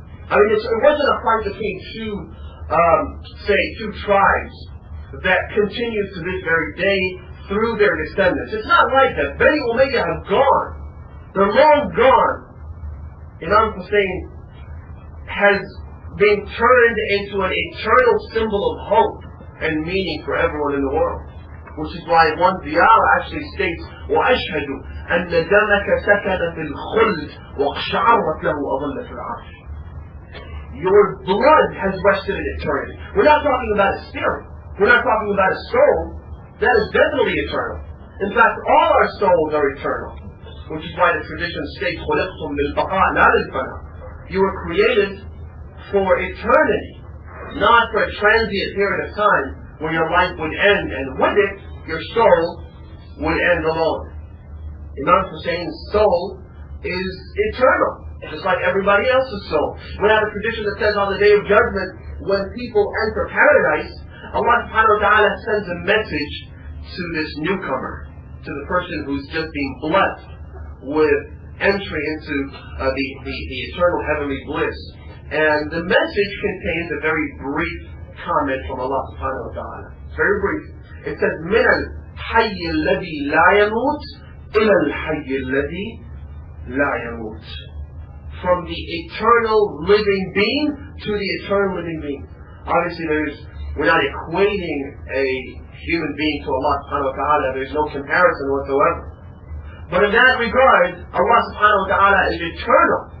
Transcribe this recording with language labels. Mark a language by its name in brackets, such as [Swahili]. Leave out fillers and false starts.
[English] I mean, it wasn't a fight between two tribes that continues to this very day through their descendants. It's not like that. Bani Umayyah have gone. They're long gone. Imam Hussein has been turned into an eternal symbol of hope and meaning for everyone in the world. Which is why one Diyar actually states, [Arabic] وَأَشْهَدُ أَنَّ دَمَكَ سَكَنَ فِي الْخُلْدِ وَقْشَعَرَتْ لَهُ أَظَلَّ فِي الْعَرْشِ. [English] Your blood has rested in eternity. We're not talking about a spirit. We're not talking about a soul. That is definitely eternal. In fact, all our souls are eternal. Which is why the tradition states, [Arabic] خُلِقْتُم بِالْبَقَاءِ لَا لِلْفَنَى. [English] You were created for eternity, not for a transient period of time where your life would end, and with it, your soul would end alone. Imam Hussein's soul is eternal, just like everybody else's soul. We have a tradition that says on the Day of Judgment, when people enter paradise, Allah subhanahu wa ta'ala sends a message to this newcomer, to the person who's just being blessed with entry into the eternal heavenly bliss. And the message contains a very brief comment from Allah subhanahu wa ta'ala. It's very brief. It says, [Arabic] مِنَ الْحَيِّ الَّذِي لَا يَمُوتْ إِلَى الْحَيِّ الَّذِي لَا يَمُوتْ. [English] From the eternal living being to the eternal living being. Obviously, we're not equating a human being to Allah subhanahu wa ta'ala. There's no comparison whatsoever. But in that regard, Allah subhanahu wa ta'ala is eternal.